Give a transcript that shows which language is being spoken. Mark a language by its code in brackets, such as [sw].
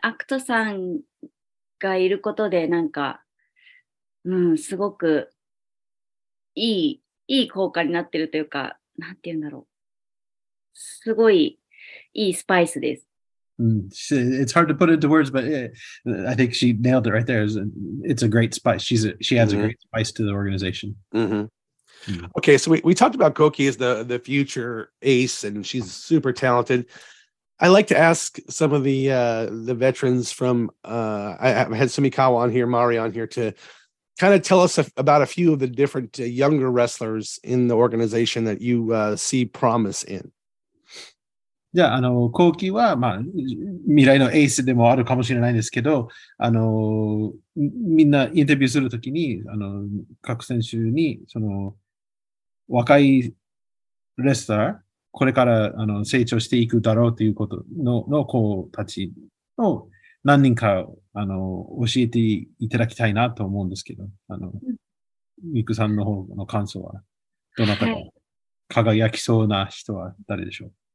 [ja] アクトさんがいることで、なんか、すごく、いい効果になってるというか、 [en] It's hard to put into words, but I think she nailed it right there. It's a great spice. She adds a great spice to the organization. Mm-hmm. Mm-hmm. Okay, so we talked about Koki as the future ace, and she's super talented. I like to ask some of the veterans from, I had Sumikawa on here, Mari on here, to kind of tell us about a few of the different younger wrestlers in the organization that you see promise in. [ja] Yeah, あの、コーキーは、まあ、未来のエースでもあるかもしれないんですけど、あの、みんなインタビューするときに、あの、各選手に、その、若いレスラー、これから、あの、成長していくだろうということの子たちの何人かあの教えていただきたいなと思うんですけど、あの、ミクさんの方の感想はどなたか、はい、輝きそうな人は誰でしょう。